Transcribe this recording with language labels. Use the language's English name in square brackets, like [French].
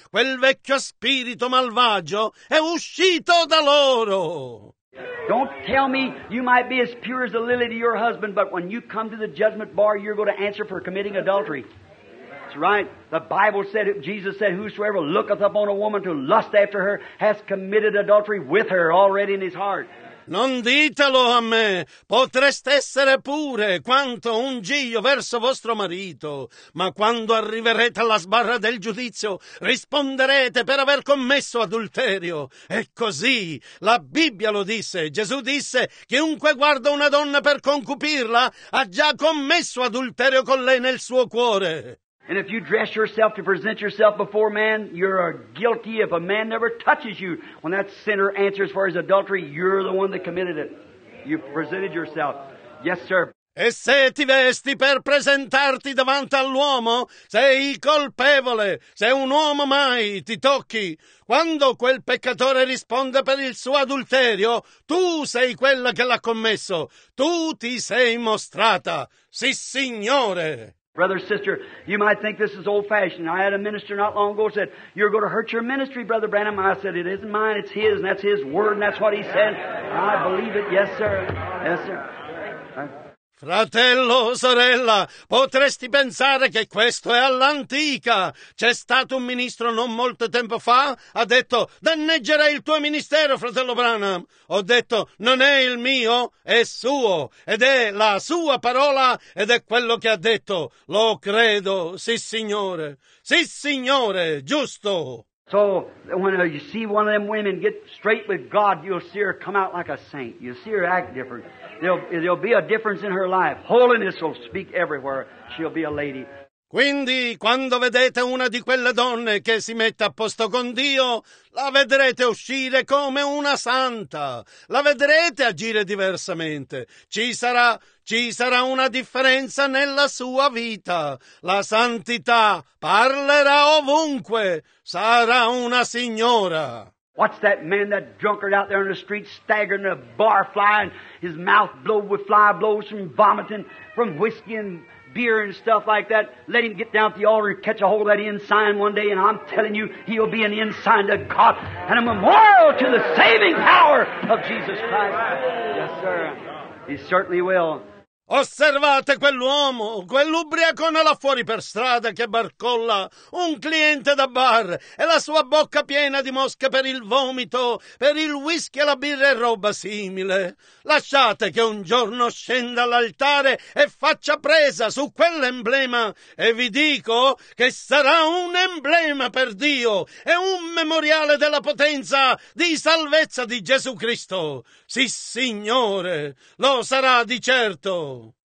[Italian] Quel vecchio spirito malvagio è uscito da loro. [English] Don't tell me you might be as pure as a lily to your husband, but when you come to the judgment bar, you're going to answer for committing adultery. That's right. The Bible said, Jesus said, whosoever looketh upon a woman to lust after her has committed adultery with her already in his heart. [Italian] Non ditelo a me, potreste essere pure quanto un giglio verso vostro marito, ma quando arriverete alla sbarra del giudizio risponderete per aver commesso adulterio. E così la Bibbia lo disse, Gesù disse, chiunque guarda una donna per concupirla ha già commesso adulterio con lei nel suo cuore. [English] And if you dress yourself to present yourself before man, you're guilty. If a man never touches you, when that sinner answers for his adultery, you're the one that committed it. You presented yourself. Yes, sir. [Italian] E se ti vesti per presentarti davanti all'uomo, sei il colpevole. Se un uomo mai ti tocchi, quando quel peccatore risponde per il suo adulterio, tu sei quella che l'ha commesso. Tu ti sei mostrata. Sì, Signore. [English] Brother, sister, you might think this is old-fashioned. I had a minister not long ago said, you're going to hurt your ministry, Brother Branham. I said, it isn't mine, it's his, and that's his word, and that's what he said. I believe it, yes, sir. Yes, sir. [Italian] Fratello, sorella, potresti pensare che questo è all'antica. C'è stato un ministro non molto tempo fa, ha detto, danneggerei il tuo ministero, fratello Branham. Ho detto, non è il mio, è suo, ed è la sua parola, ed è quello che ha detto. Lo credo, sì signore, giusto. [English] So, when you see one of them women get straight with God, you'll see her come out like a saint. You'll see her act different. There'll be a difference in her life. Holiness will speak everywhere. She'll be a lady. [Italian] Quindi, quando vedete una di quelle donne che si mette a posto con Dio, la vedrete uscire come una santa. La vedrete agire diversamente. Ci sarà una differenza nella sua vita. La santità parlerà ovunque. Sarà una signora. [English] Watch that man, that drunkard out there on the street, staggering, a bar flying, his mouth blowed with fly blows from vomiting, from whiskey and beer and stuff like that. Let him get down at the altar and catch a hold of that ensign one day, and I'm telling you, he'll be an ensign to God and a memorial to the saving power of Jesus Christ. Yes, sir. He certainly will. [Italian] Osservate quell'uomo, quell'ubriacone là fuori per strada che barcolla un cliente da bar e la sua bocca piena di mosche per il vomito, per il whisky e la birra e roba simile. Lasciate che un giorno scenda all'altare e faccia presa su quell'emblema e vi dico che sarà un emblema per Dio e un memoriale della potenza di salvezza di Gesù Cristo. Sì, Signore, lo sarà di certo.